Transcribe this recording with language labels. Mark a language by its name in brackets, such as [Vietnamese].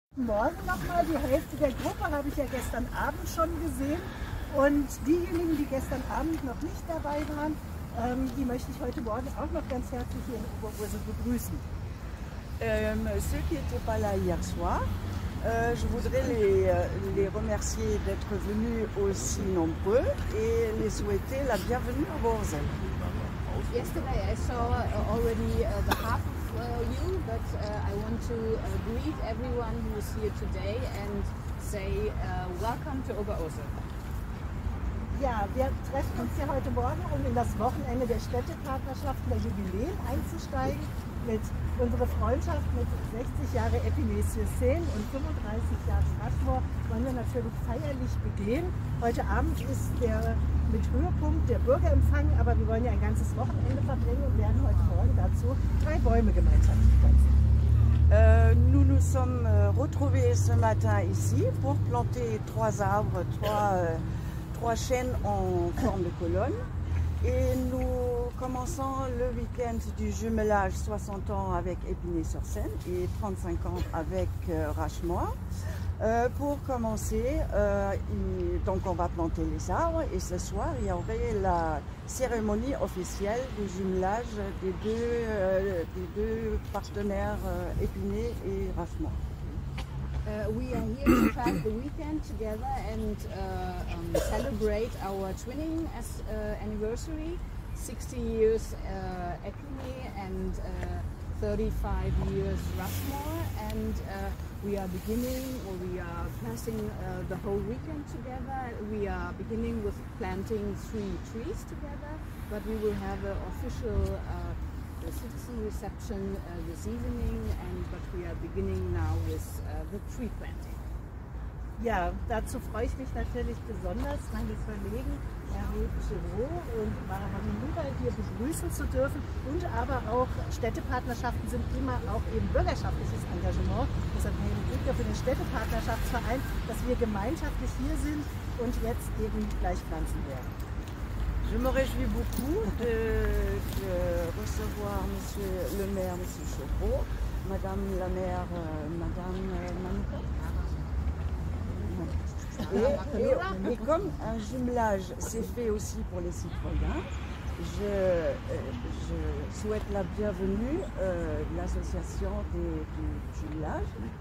[German] Morgen nochmal die Hälfte der Gruppe, habe ich ja gestern Abend schon gesehen. Und diejenigen, die gestern Abend noch nicht dabei waren, die möchte ich heute Morgen auch noch ganz herzlich hier in Oberursel begrüßen. [French] Ceux qui n'étaient pas là hier soir, je voudrais les remercier d'être venus aussi nombreux et les souhaiter la bienvenue à Oberursel. [English] Yesterday I saw already the half of you, but I want to greet everyone who is here today and say welcome to Oberursel. [German] Ja, wir treffen uns hier heute Morgen, um in das Wochenende der Städtepartnerschaft der Jubiläen einzusteigen mit unserer Freundschaft mit 60 Jahre Épinay-sur-Seine und 35 Jahre Strasbourg wollen wir natürlich feierlich begehen. Heute Abend ist der mit Höhepunkt der Bürgerempfang, aber wir wollen ja ein ganzes Wochenende verbringen und werden heute Morgen dazu drei Bäume gemeinschaftlich pflanzen. [French] Nous nous sommes retrouvés ce matin ici pour planter trois arbres, trois chênes en forme de colonne. Et nous commençons le week-end du jumelage 60 ans avec Épinay-sur-Seine et 35 ans avec Rachemoir. Pour commencer, donc on va planter les arbres et ce soir il y aurait la cérémonie officielle du jumelage des deux partenaires Épinay et Rachemoir. [English] We are here to spend the weekend together and celebrate our twinning as anniversary, 60 years Épinay and 35 years Rushmore, and we are beginning, or we are passing the whole weekend together. We are beginning with planting three trees together, but we will have an official citizen reception this evening, and but we are beginning now with the tree planting. [German] Ja, dazu freue ich mich natürlich besonders, meine Kollegen Hervé Giraud und Maram Nubal hier begrüßen zu dürfen. Und aber auch Städtepartnerschaften sind immer auch eben bürgerschaftliches Engagement. Deshalb nehmen wir für den Städtepartnerschaftsverein, dass wir gemeinschaftlich hier sind und jetzt eben gleich pflanzen werden. [French] Je me réjouis beaucoup de recevoir Monsieur le maire, Monsieur Chopreau, Madame la maire, Madame Manuka. Et comme un jumelage s'est fait aussi pour les citoyens, je souhaite la bienvenue de l'association du jumelage.